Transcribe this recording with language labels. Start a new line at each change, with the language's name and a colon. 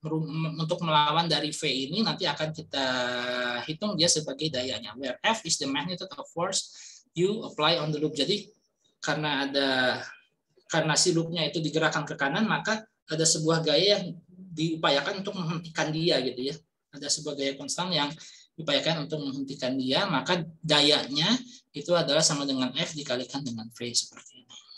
Indonesian: untuk melawan dari V ini nanti akan kita hitung dia sebagai dayanya.
English: Where F is the magnitude of force you apply on the loop.
Indonesian: Jadi karena ada karena si loopnya itu digerakkan ke kanan, maka ada sebuah gaya yang diupayakan untuk menghentikan dia, gitu ya. Ada sebuah gaya konstan yang diupayakan untuk menghentikan dia, maka dayanya itu adalah sama dengan F dikalikan dengan V seperti ini.